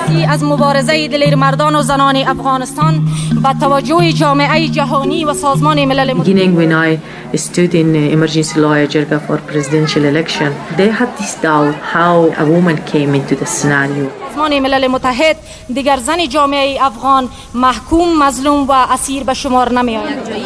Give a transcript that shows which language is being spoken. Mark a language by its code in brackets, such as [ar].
[fa] از مبارزه دلیر مردان و زنان افغانستان با توجه جامعه جهانی و سازمان ملل متحد. [en] Stood in emergency lawyer jirga for presidential election, they had this doubt how a woman came into the scenario. [fa] سازمان ملل متحد دیگر زن جامعه افغان محکوم، مظلوم و اسیر به شمار نمی آید.